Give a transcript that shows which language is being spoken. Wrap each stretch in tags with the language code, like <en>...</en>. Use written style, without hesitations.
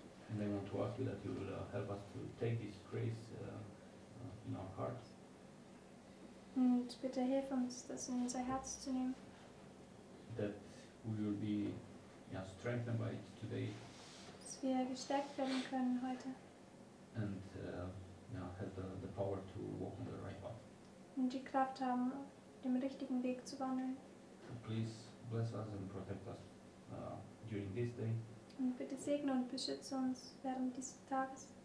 <en>And I want to ask you that you will help us to take this grace in our hearts.</en> <de>Und bitte hilf uns, das in unser Herz zu nehmen.</de> <en>That we will be strengthened by it today.</en> <de>Dass wir gestärkt werden können heute.</de> <en>And have the power to walk on the right path.</en> <de>Und die Kraft haben, auf dem richtigen Weg zu wandeln.</de> <en>So please bless us and protect us during this day.</en> <de>Und bitte segne und beschütze uns während dieses Tages.</de>